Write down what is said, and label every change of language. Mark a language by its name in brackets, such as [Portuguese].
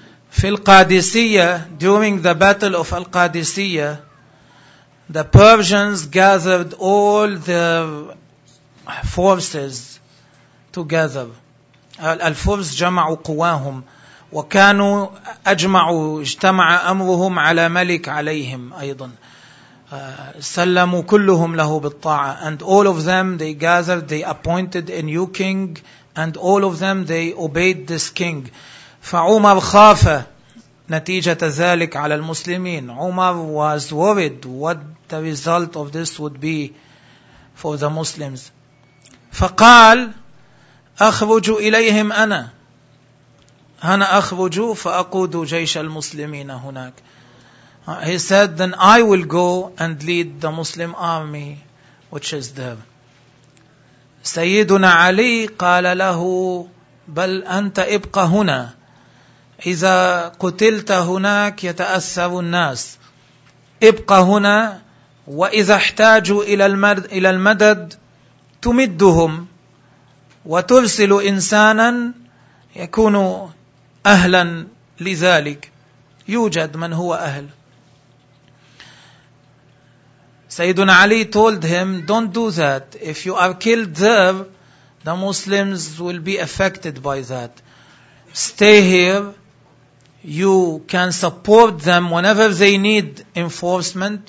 [Arabic] في القادسية, [English] during the battle of القادسية, the Persians gathered all their forces together. [Arabic] الفرس جمعوا قواهم وكانوا أجمعوا, اجتمع أمرهم على ملك عليهم أيضا. سلموا كلهم له بالطاعة. [English] And all of them, they gathered, they appointed a new king, and all of them, they obeyed this king. [Arabic] فعمر خاف نتيجة ذلك على المسلمين. [English] عمر was worried what the result of this would be for the Muslims. [Arabic] فقال أخرج إليهم أنا, أنا أخرج فأقود جيش المسلمين هناك. [English] He said, then I will go and lead the Muslim army which is there. [Arabic] سيدنا علي قال له بل أنت ابق هنا, إذا قتلت هناك يتأثر الناس. ابق هنا وإذا احتاجوا إلى المدد تمدهم وترسل إنسانا يكون أهلا لذلك. يوجد من هو أهل. [English] سيدنا علي told him, don't do that. If you are killed there, the Muslims will be affected by that. Stay here. You can support them whenever they need enforcement.